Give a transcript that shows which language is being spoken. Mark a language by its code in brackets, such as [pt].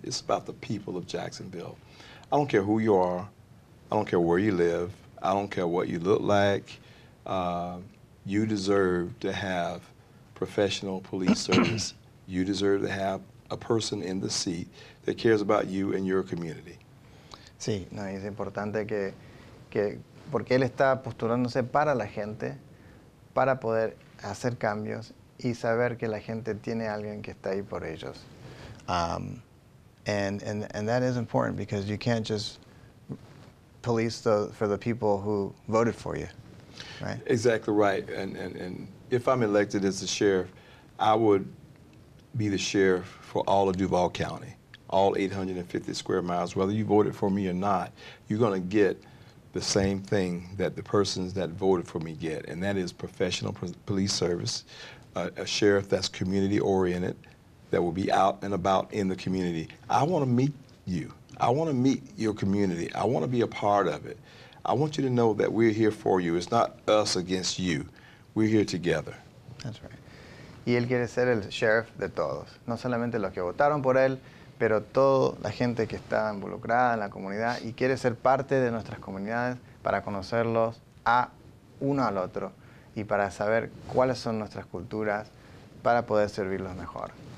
[en] It's about the people of Jacksonville. I don't care who you are. I don't care where you live. I don't care what you look like. You deserve to have professional police service. You deserve to have a person in the seat that cares about you and your community. [es] Sí, no, es importante que porque él está postulándose para la gente, para poder hacer cambios y saber que la gente tiene alguien que está ahí por ellos. [en] And that is important because you can't just police for the people who voted for you, right? Exactly right. And if I'm elected as the sheriff, I would be the sheriff for all of Duval County, all 850 square miles. Whether you voted for me or not, you're going to get the same thing that the persons that voted for me get, and that is professional police service, a sheriff that's community-oriented, that will be out and about in the community. I want to meet you. I want to meet your community. I want to be a part of it. I want you to know that we're here for you. It's not us against you. We're here together. That's right. [es] Y él quiere ser el sheriff de todos. No solamente los que votaron por él, pero toda la gente que está involucrada en la comunidad y quiere ser parte de nuestras comunidades para conocerlos a uno al otro y para saber cuáles son nuestras culturas para poder servirlos mejor.